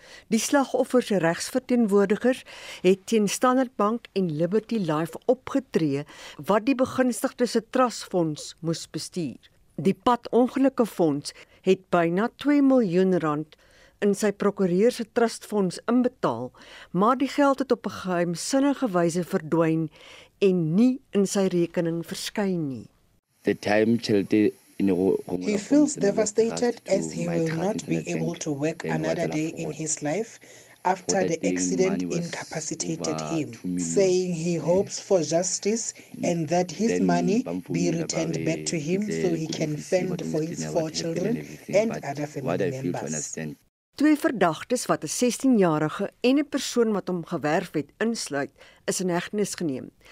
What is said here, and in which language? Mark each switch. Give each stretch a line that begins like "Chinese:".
Afrikaans: Die slagoffers se regsverteenwoordigers het teen Standard Bank en Liberty Life opgetree wat die begunstigdes se trustfonds moes bestuur. Die padongelukke fonds het byna 2 miljoen rand in sy prokureur se trustfonds inbetaal, maar die geld het op 'n geheimsinnige wyse verdwyn en nie in sy rekening verskyn nie. The time till the
English: He feels devastated as he will not be able to work another day in his life after the accident incapacitated him, saying he hopes for justice and that his money be returned back to him so he can fend for his four children and other family members.
Afrikaans: Twee verdagtes wat 'n 16-jarige en 'n persoon wat hom gewerf het insluit, is in hegtenis geneem.